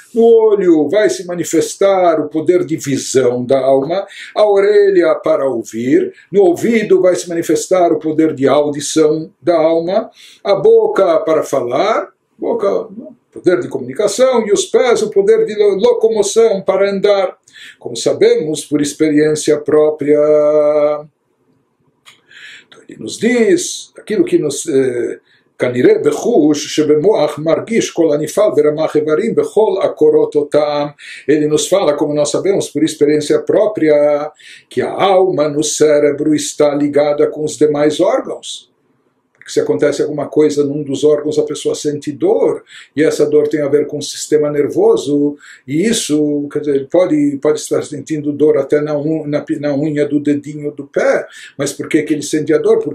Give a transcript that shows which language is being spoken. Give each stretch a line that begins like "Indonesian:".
Portuguese: No olho vai se manifestar o poder de visão da alma, a orelha para ouvir, no ouvido vai se manifestar o poder de audição da alma, a boca para falar, boca, poder de comunicação, e os pés, o poder de locomoção para andar. Como sabemos por experiência própria, então ele nos diz aquilo que nos...
Hebrew: כנראה בחוש שבמוח מרגיש כל הנפעל ברמח איברים בכל הקורות אותם.
Portuguese: Ele nos fala, como nós sabemos por experiência própria, que a alma no cérebro está ligada com os demais órgãos. Porque se acontece alguma coisa num dos órgãos, a pessoa sente dor, e essa dor tem a ver com o sistema nervoso, e isso, quer dizer, pode estar sentindo dor até na unha do dedinho do pé, mas por que que ele sente a dor?